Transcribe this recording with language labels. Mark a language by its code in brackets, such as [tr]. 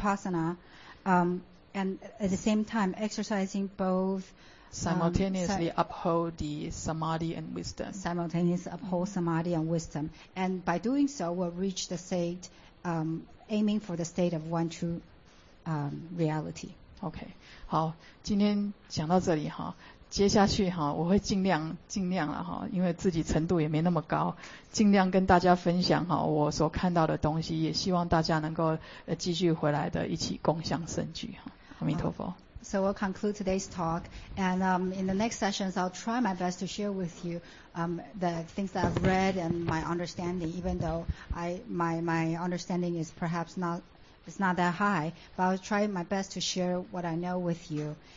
[en] and at the same time exercising both simultaneously uphold the samadhi and wisdom. Simultaneously uphold samadhi and wisdom, and by doing so, we'll reach the state, aiming for the state of one true reality. [zh] Okay, 好，今天讲到这里哈。接下去哈，我会尽量了哈，因为自己程度也没那么高，尽量跟大家分享哈我所看到的东西，也希望大家能够继续回来的一起共享圣聚哈。阿弥陀佛。 [en] So we'll conclude today's talk, and in the next sessions, I'll try my best to share with you the things that I've read and my understanding. Even though my understanding is perhaps not that high, but I'll try my best to share what I know with you.